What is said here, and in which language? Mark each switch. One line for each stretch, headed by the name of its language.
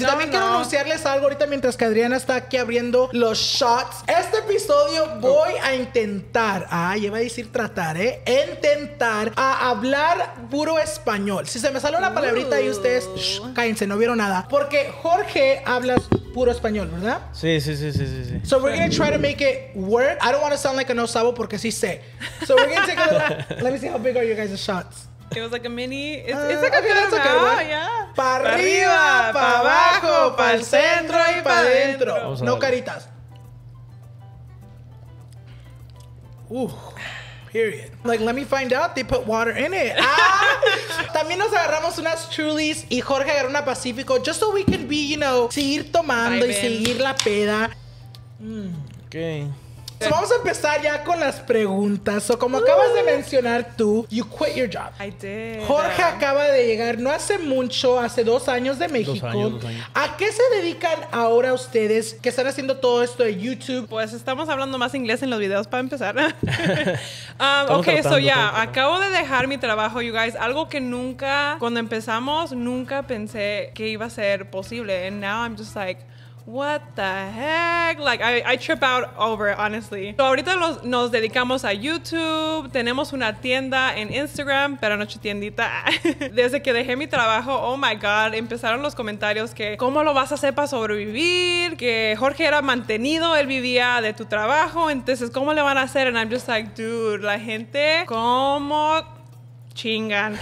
Spanish: Y no, también quiero anunciarles algo ahorita mientras que Adriana está aquí abriendo los shots. Este episodio voy a intentar, lleva a decir tratar, intentar a hablar puro español. Si se me sale una palabrita ahí, ustedes, cállense, no vieron nada. Porque Jorge habla puro español, ¿verdad? Sí.
English: So we're gonna try to make it work. I don't want to sound like an osabo
Spanish: porque sí sé.
English: So we're gonna take a little... Let me see how big are you guys' shots. It was like a mini... It's like a good one.
Spanish: Para arriba, para abajo, para el centro y para adentro. No caritas.
English: Period. Like, let me find out. They put water in it.
Spanish: También nos agarramos unas Trulies y Jorge agarró una Pacífico.
English: Just so we can be, you know,
Spanish: seguir tomando Bye, y seguir la peda.
English: Okay.
Spanish: So vamos a empezar ya con las preguntas. So, como acabas de mencionar tú,
English: you quit your job. I did.
Spanish: Jorge acaba de llegar no hace mucho, hace 2 años de México. Dos años. ¿A qué se dedican ahora ustedes que están haciendo todo esto de YouTube? Pues estamos hablando más inglés en los videos para empezar. Okay, acabo de dejar mi trabajo,
English: you guys.
Spanish: Algo que nunca, cuando empezamos, nunca pensé que iba a ser posible.
English: And now I'm just like, what the heck? Like, I trip out over it, honestly. So
Spanish: ahorita nos dedicamos a YouTube. Tenemos una tienda en Instagram, pero no tiendita. Desde que dejé mi trabajo,
English: oh my God,
Spanish: empezaron los comentarios que, ¿cómo lo vas a hacer para sobrevivir? Que Jorge era mantenido, él vivía de tu trabajo. Entonces, ¿cómo le van a hacer?
English: And I'm just like, dude,
Spanish: la gente, ¿cómo chingan?